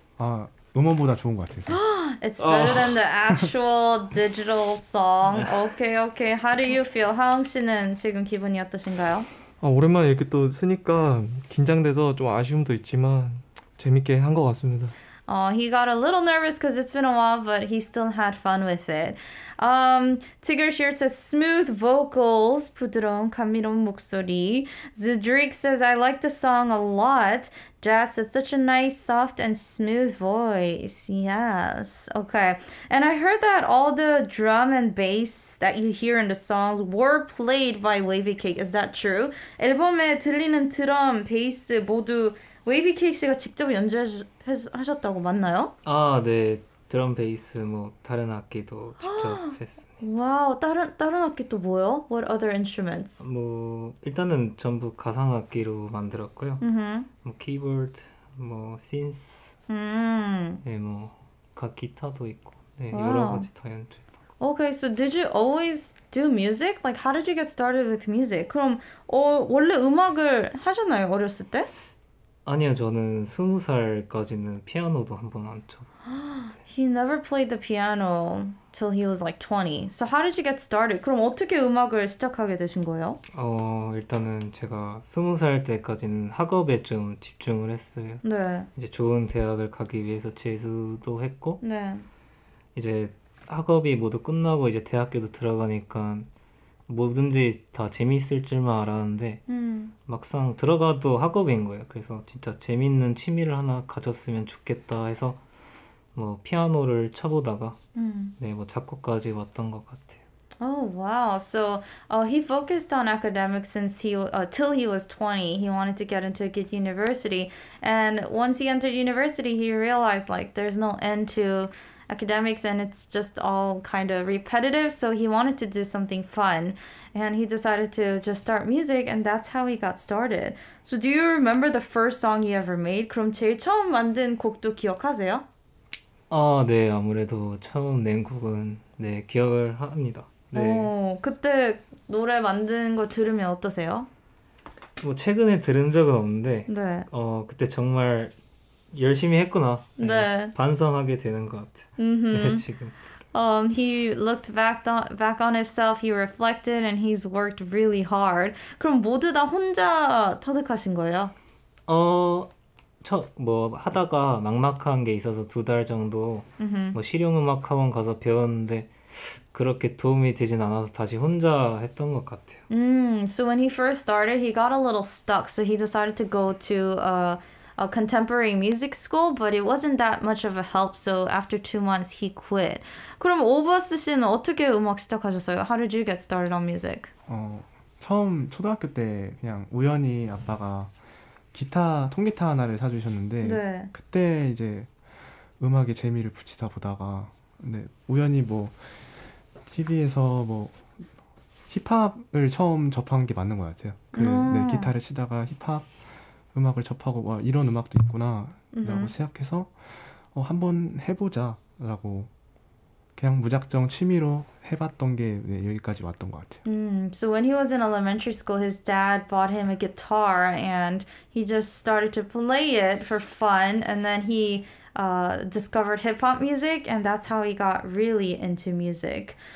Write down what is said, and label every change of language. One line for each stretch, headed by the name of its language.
Korean: 아, 음원보다 좋은 것 같아요.
English: It's better than the actual digital song. Okay, okay. How do you feel?
Korean: 하웅 씨는 지금 기분이 어떠신가요? 아, 오랜만에 이렇게 또 쓰니까 긴장돼서 좀 아쉬움도 있지만 재밌게 한 것 같습니다.
English: Oh, he got a little nervous because it's been a while, but he still had fun with it. Tigger Shear says, smooth vocals,
Korean: 부드러운 감미로운 목소리.
English: Zidrik says, I like the song a lot. Jazz says, such a nice, soft, and smooth voice. Yes. Okay. And I heard that all the drum and bass that you hear in the songs were played by Wavy Cake. Is that true?
Korean: 앨범에 들리는 드럼, 베이스 모두 웨이비 케이크 씨가 직접 연주하셨다고 맞나요? 아, 네. 드럼, 베이스, 뭐 다른 악기도 직접 했습니다. 와우, 다른 악기 또 뭐요?
English: What other instruments?
Korean: 뭐 일단은 전부 가상 악기로 만들었고요. 뭐 키보드, 뭐 신스, 네, 뭐 각 기타도 있고, 네, 여러 가지 다 연주.
English: Okay, so did you always do music? Like, how did you get started with music?
Korean: 그럼 원래 음악을 하셨나요, 어렸을 때? 아니요, 저는 스무 살까지는 피아노도 한 번 안 쳐. He never played the piano till he was like 20. So how did you get started? 그럼 어떻게 음악을 시작하게 되신 거예요? 일단은 제가 스무 살 때까지는 학업에 좀 집중을 했어요. 네. 이제 좋은 대학을 가기 위해서 재수도 했고, 네. 이제 학업이 모두 끝나고 이제 대학교도 들어가니까 뭐든지 다 재미있을 줄만 알았는데 막상 들어가도 학업인 거예요. 그래서 진짜 재미있는 취미를 하나 가졌으면 좋겠다 해서 뭐 피아노를 쳐보다가 네, 뭐 작곡까지 왔던 것 같아요.
English: Oh wow. So he focused on academics since till he was 20. He wanted to get into a good university. And once he entered university, he realized like there's no end to academics and it's just all kind of repetitive, so he wanted to do something fun and he decided to just start music and that's how he got started. So do you remember the first song you ever made?
Korean: 그럼 제일 처음 만든 곡도 기억하세요? 아, 네. 아무래도 처음 낸 곡은 네, 기억을 합니다. 네. 오, 그때 노래 만든 거 들으면 어떠세요? 뭐 최근에 들은 적은 없는데 네. 그때 정말 열심히 했구나. 네. 네. 반성하게 되는 것 같아. 네, 지금.
English: He looked back on himself. He reflected and he's worked really hard.
Korean: 그럼 모두 다 혼자 터득하신 거예요? 하다가 막막한 게 있어서 두 달 정도 뭐 실용음악학원 가서 배웠는데 그렇게 도움이 되진 않아서 다시 혼자 했던 것 같아요.
English: So when he first started, he got a little stuck. So he decided to go to a contemporary music school, but it wasn't that much of a help, so after 2 months, he quit.
Korean: 그럼 오버스 씨는 어떻게 음악 시작하셨어요?
English: How did you get started on music?
Korean: 처음 초등학교 때 그냥 우연히 아빠가 통기타 하나를 사주셨는데 네. 그때 이제 음악에 재미를 붙이다 보다가 근데 우연히 뭐 TV에서 뭐 힙합을 처음 접한 게 맞는 것 같아요. 네, 기타를 치다가 힙합 음악을 접하고 와 이런 음악도 있구나 라고 생각해서 한번 해보자 라고 그냥 무작정 취미로 해봤던 게 네, 여기까지 왔던 것 같아요.
English: So when he was in elementary school, his dad bought him a guitar and he just started to play it for fun and then he discovered hip-hop music and that's how he got really into music.